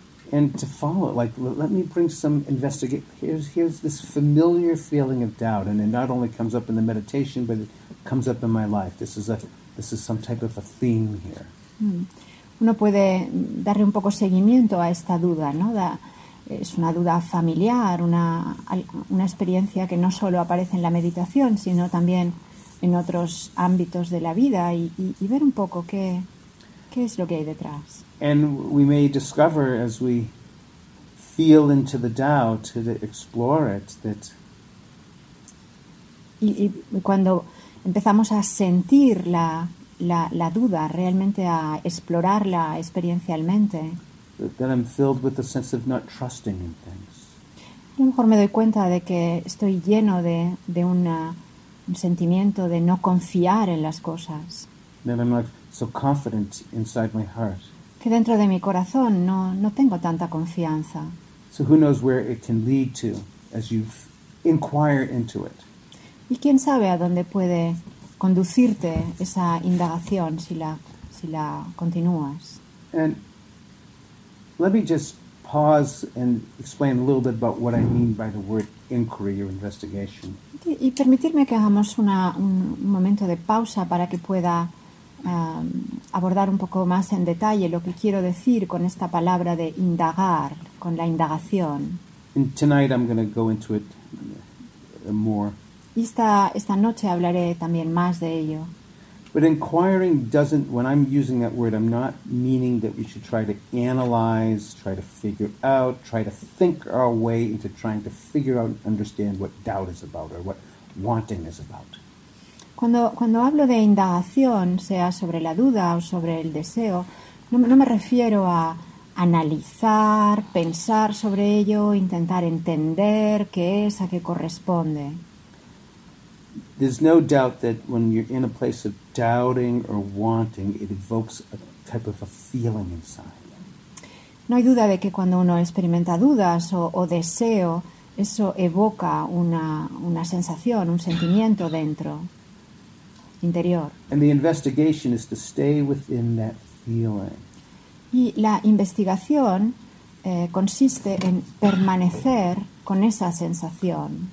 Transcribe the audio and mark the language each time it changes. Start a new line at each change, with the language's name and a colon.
English: And to follow, like, let me bring some investigation. Here's this familiar feeling of doubt, and it not only comes up in the meditation, but it comes up in my life. This is some type of a theme here.
Spanish: Uno puede darle un poco seguimiento a esta duda, ¿no? Es una duda familiar, una experiencia que no solo aparece en la meditación, sino también en otros ámbitos de la vida, y ver un poco qué es lo que hay detrás.
English: And we may discover as we feel into the doubt, to explore it, that...
Spanish: Y cuando empezamos a sentir la duda, realmente a explorarla experiencialmente...
English: Then I'm filled with a sense of not trusting in things.
Spanish: A lo mejor me doy cuenta de que estoy lleno de un sentimiento de no confiar en las cosas.
English: Then I'm not so confident inside my heart.
Spanish: Que dentro de mi corazón no tengo tanta confianza.
English: So who knows where it can lead to as you inquire into it.
Spanish: Y quién sabe a dónde puede conducirte esa indagación si la continúas.
English: And let me just pause and explain a little bit about what I mean by the word inquiry or investigation.
Spanish: Y permitirme que hagamos un momento de pausa para que pueda abordar un poco más en detalle lo que quiero decir con esta palabra de indagar, con la indagación.
English: And tonight I'm going to go into it more.
Spanish: Y esta noche hablaré también más de ello.
English: But inquiring doesn't, when I'm using that word, I'm not meaning that we should try to analyze, try to figure out, try to think our way into trying to figure out and understand what doubt is about or what wanting is about.
Spanish: Cuando hablo de indagación, sea sobre la duda o sobre el deseo, no me refiero a analizar, pensar sobre ello, intentar entender qué es, a qué corresponde.
English: There's no doubt that when you're in a place of doubting or wanting, it evokes a type of a feeling inside.
Spanish: No hay duda de que cuando uno experimenta dudas o deseo, eso evoca una sensación, un sentimiento dentro, interior.
English: And the investigation is to stay within that feeling.
Spanish: Y la investigación consiste en permanecer con esa sensación.